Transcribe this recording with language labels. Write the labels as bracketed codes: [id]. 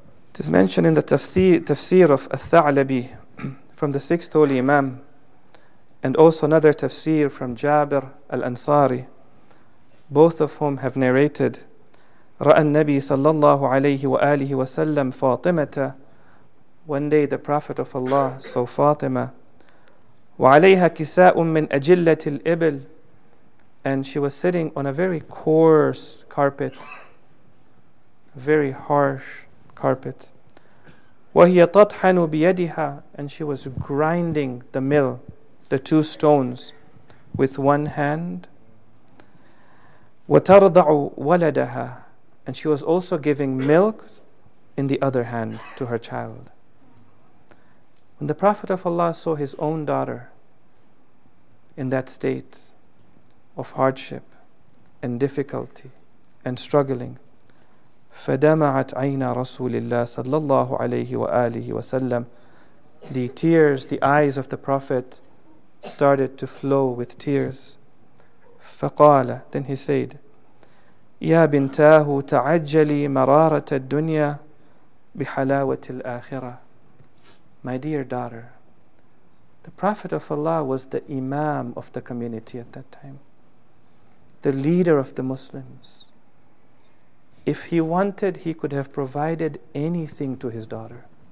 [en] It is mentioned in the tafsir of Al-Tha'labi from the sixth holy imam, and also another tafsir from Jabir al-Ansari, both of whom have narrated, [ar] رأى النبي صلى الله عليه وآله وسلم فاطمة. [en] One day the Prophet of Allah saw Fatima. [ar] وعليها كساء من أجلة الإبل. [en] And she was sitting on a very coarse carpet. Very harsh carpet. [ar] وهي تطحن بيدها. [en] And she was grinding the mill, the two stones, with one hand. [ar] وترضع ولدها. [en] And she was also giving milk in the other hand to her child. When the Prophet of Allah saw his own daughter in that state of hardship and difficulty and struggling, [ar] فدمعت عينا رسول الله صلى الله عليه وآله وسلم. [en] The tears, the eyes of the Prophet started to flow with tears. [ar] فقال, [en] then he said, [ar] يا بنتاه تعجلي مرارة الدنيا بحلاوة الآخرة. [en] My dear daughter, the Prophet of Allah was the Imam of the community at that time, the leader of the Muslims. If he wanted, he could have provided anything to his daughter.